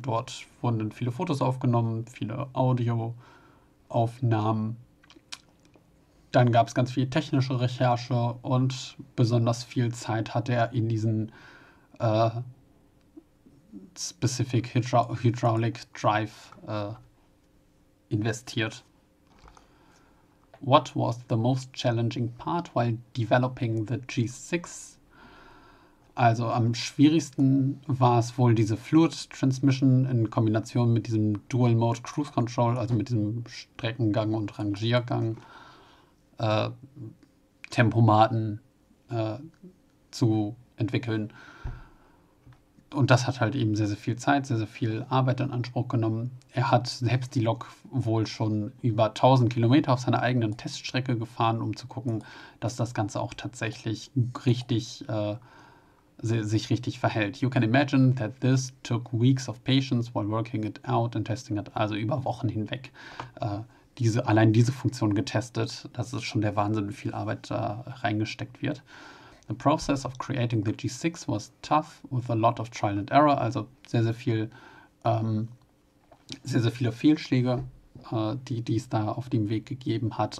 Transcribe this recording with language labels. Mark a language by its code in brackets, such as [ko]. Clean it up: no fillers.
[de] Dort wurden dann viele Fotos aufgenommen, viele Audioaufnahmen. Dann gab es ganz viel technische Recherche und besonders viel Zeit hatte er in diesen Specific Hydraulic Drive investiert. [en] What was the most challenging part while developing the G6? [de] Also am schwierigsten war es wohl diese Fluid Transmission in Kombination mit diesem Dual Mode Cruise Control, also mit diesem Streckengang und Rangiergang Tempomaten zu entwickeln. Und das hat halt eben sehr, sehr viel Zeit, sehr, sehr viel Arbeit in Anspruch genommen. Er hat selbst die Lok wohl schon über 1000 Kilometer auf seiner eigenen Teststrecke gefahren, um zu gucken, dass das Ganze auch tatsächlich richtig, sich richtig verhält. [en] You can imagine that this took weeks of patience while working it out and testing it. [de] Also über Wochen hinweg allein diese Funktion getestet. Das ist schon der Wahnsinn, wie viel Arbeit da reingesteckt wird. [en] The process of creating the G6 was tough with a lot of trial and error, [de] also sehr, sehr viel, sehr, sehr viele Fehlschläge, die es da auf dem Weg gegeben hat.